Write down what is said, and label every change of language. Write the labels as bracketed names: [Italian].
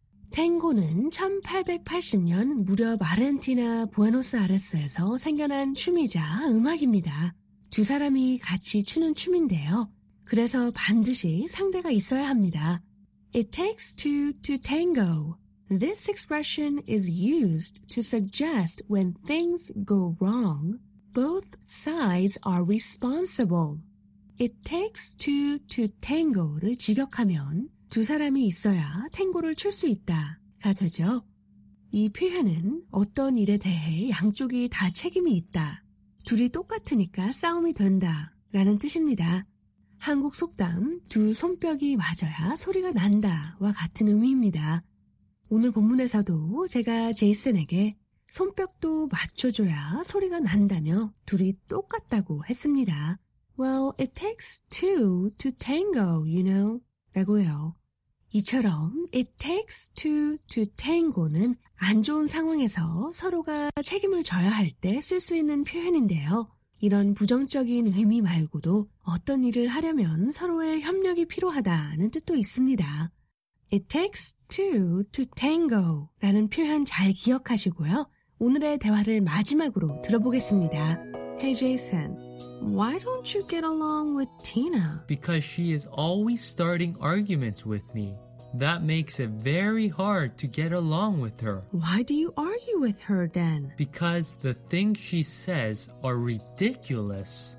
[Korean] 탱고는 1880년 무렵 아르헨티나 부에노스아레스에서 생겨난 춤이자 음악입니다. 두 사람이 같이 추는 춤인데요. 그래서 반드시 상대가 있어야 합니다. [English] It takes two to tango. This expression is used to suggest when things go wrong, both sides are responsible. It takes two to tango [Korean] 를 직역하면 두 사람이 있어야 탱고를 출 수 있다가 되죠. 이 표현은 어떤 일에 대해 양쪽이 다 책임이 있다, 둘이 똑같으니까 싸움이 된다라는 뜻입니다. 한국 속담 두 손뼉이 맞아야 소리가 난다와 같은 의미입니다. 오늘 본문에서도 제가 제이슨에게 손뼉도 맞춰줘야 소리가 난다며 둘이 똑같다고 했습니다. [English] Well, it takes two to tango, you know. [Korean] 라고요. 이처럼 [English] it takes two to tango [Korean] 는 안 좋은 상황에서 서로가 책임을 져야 할 때 쓸 수 있는 표현인데요. 이런 부정적인 의미 말고도 어떤 일을 하려면 서로의 협력이 필요하다는 뜻도 있습니다. [English] It takes two to tango [Korean] 라는 표현 잘 기억하시고요. 오늘의 대화를 마지막으로 들어보겠습니다. [English] Hey Jason, why don't you get along with Tina? Because she is always starting arguments with me. That makes it very hard to get along with her. Why do you argue with her then? Because the things she says are ridiculous.